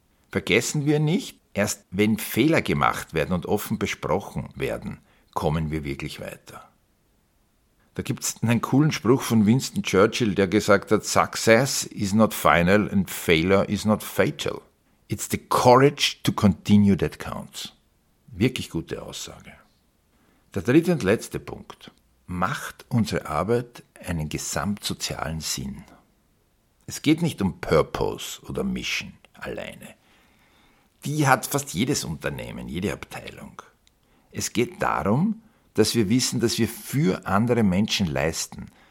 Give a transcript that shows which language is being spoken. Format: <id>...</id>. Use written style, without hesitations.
<de>Vergessen wir nicht, erst wenn Fehler gemacht werden und offen besprochen werden, kommen wir wirklich weiter. Da gibt es einen coolen Spruch von Winston Churchill, der gesagt hat,</de> <en>Success is not final and failure is not fatal. It's the courage to continue that counts.</en> <de>Wirklich gute Aussage. Der dritte und letzte Punkt. Macht unsere Arbeit einen gesamtsozialen Sinn? Es geht nicht um Purpose oder Mission alleine. Die hat fast jedes Unternehmen, jede Abteilung. Es geht darum, dass wir wissen, dass wir für andere Menschen leisten,</de>